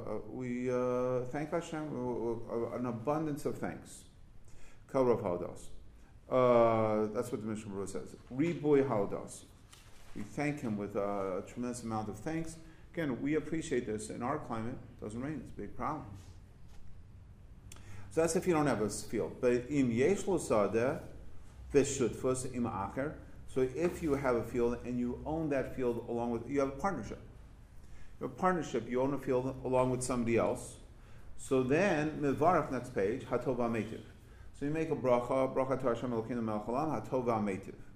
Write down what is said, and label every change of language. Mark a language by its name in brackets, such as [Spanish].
[English] We thank Hashem, an abundance of thanks. [Hebrew] Kel rov ha'odaos. [English] That's what the Mishnah Berurah says. Ribui ha'odaos. We thank Him with a tremendous amount of thanks. Again, we appreciate this in our climate. It doesn't rain, it's a big problem. So that's if you don't have a field. [Hebrew] But im yesh lo sadeh v'shutfus im acher. [English] So if you have a field and you own that field along with, you have a partnership. You have a partnership, you own a field along with somebody else. So then, mevarach, next page, hatov ha-metiv. So you make a bracha to Hashem Elokeinu Melech Olam, hatov ha-metiv.